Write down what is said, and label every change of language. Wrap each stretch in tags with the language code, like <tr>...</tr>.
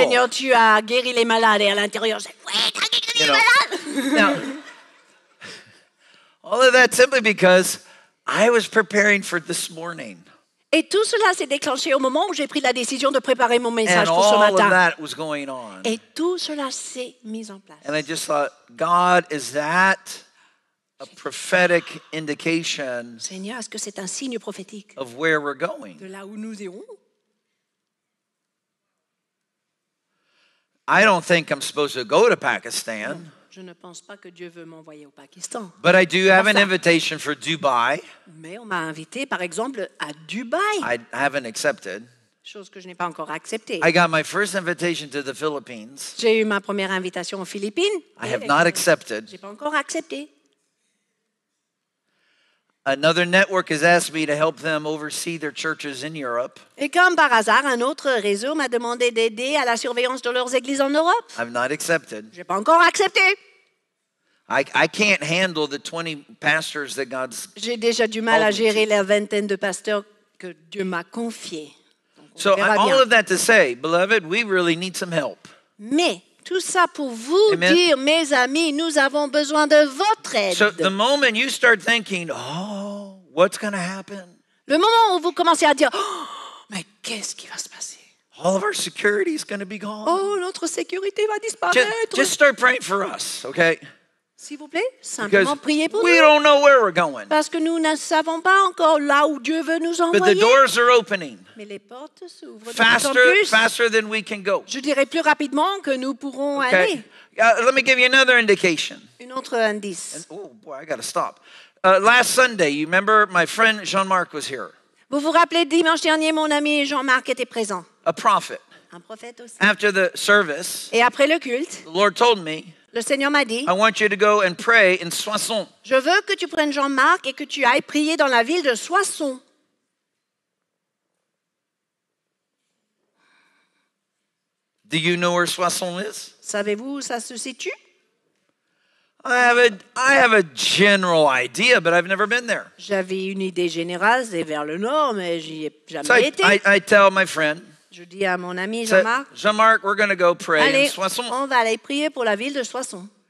<fr>Seigneur, tu as guéri les malades. Et à l'intérieur, j'ai oui,</fr> <en>Now, all of that simply because I was preparing for this morning.</en> <fr>Et tout cela s'est déclenché au moment où j'ai pris la décision de préparer mon message</fr> <en>and</en> <fr>pour ce matin.</fr> <en>And all of that was going on.</en> <fr>Et tout cela s'est mis en place.</fr> <en>And I just thought, God, is that a prophetic indication?</en> <fr>Seigneur, est-ce que c'est un signe prophétique?</fr> <en>Of where we're going.</en> <fr>De là où nous irons.</fr> <en>I don't think I'm supposed to go to Pakistan.</en> <fr>Je ne pense pas que Dieu veut m'envoyer au Pakistan.</fr> <en>But I do have an invitation for Dubai.</en> <fr>Mais on m'a invité, par exemple, à Dubaï.</fr> <en>I haven't accepted.</en> <fr>Chose que je n'ai pas encore acceptée.</fr> <en>I got my first invitation to the Philippines.</en> <fr>J'ai eu ma première invitation aux Philippines.</fr> <en>I have not accepted.</en> <fr>J'ai pas encore accepté.</fr> <en>Another network has asked me to help them oversee their churches in Europe.</en> <fr>Et comme par hasard, un autre réseau m'a demandé d'aider à la surveillance de leurs églises en Europe.</fr> <en>I've not accepted.</en> <fr>J'ai pas encore accepté.</fr> <en>I can't handle the 20 pastors that God's.</en> <fr>J'ai déjà du mal à gérer la vingtaine de pasteurs que Dieu m'a confiés.</fr> <en>So all of that to say, beloved, we really need some help.</en> <fr>Mais tout ça pour vous</fr> <en>Amen.</en> <fr>Dire, mes amis, nous avons besoin de votre aide.</fr> <en>So the moment you start thinking, oh, what's going to happen?</en> <fr>Le moment où vous commencez à dire, oh, mais qu'est-ce qui va se passer?</fr> <en>All of our security is going to be gone.</en> <fr>Oh, notre sécurité va disparaître.</fr> <en>Just start praying for us, okay?</en> <fr>S'il vous plaît, simplement priez pour</fr> <en>we</en> <fr>nous.</fr> <en>We don't know where we're going.</en> <fr>Parce que nous ne savons pas encore là où Dieu veut nous envoyer.</fr> <en>But the doors are opening.</en> <fr>Mais les portes s'ouvrent</fr> <en>faster,</en> <fr>de plus en plus.</fr> <en>Faster than we can go.</en> <fr>Je dirais plus rapidement que nous pourrons</fr> <en>okay.</en> <fr>aller.</fr> <en>Let me give you another indication.</en> <fr>Une autre indice.</fr> <en>And, oh boy, I got to stop. Last Sunday, you remember my friend Jean-Marc was here.</en> <fr>Vous vous rappelez dimanche dernier, mon ami Jean-Marc était présent.</fr> <en>A prophet.</en> <fr>Un prophète aussi.</fr> <en>After the service.</en> <fr>Et après le culte.</fr> <en>The Lord told me.</en> <fr>Le Seigneur m'a dit,</fr> <en>I want you to go and pray in Soissons.</en> <fr>Je veux que tu prennes Jean-Marc et que tu ailles prier dans la ville de Soissons.</fr> <en>Do you know where Soissons is?</en> <fr>Savez-vous où ça se situe?</fr> <en>I have a general idea, but I've never been there.</en> <fr>J'avais une idée générale, c'est vers le nord, mais j'y ai jamais</fr> <en>so</en> <fr>été.</fr> <en>I tell my friend.</en> <fr>Je dis à mon ami Jean-Marc.</fr> <en>Jean-Marc, we're going to go pray</en> <fr>allez,</fr> <en>in Soissons.</en> <fr>On va aller prier pour la ville de Soissons.</fr>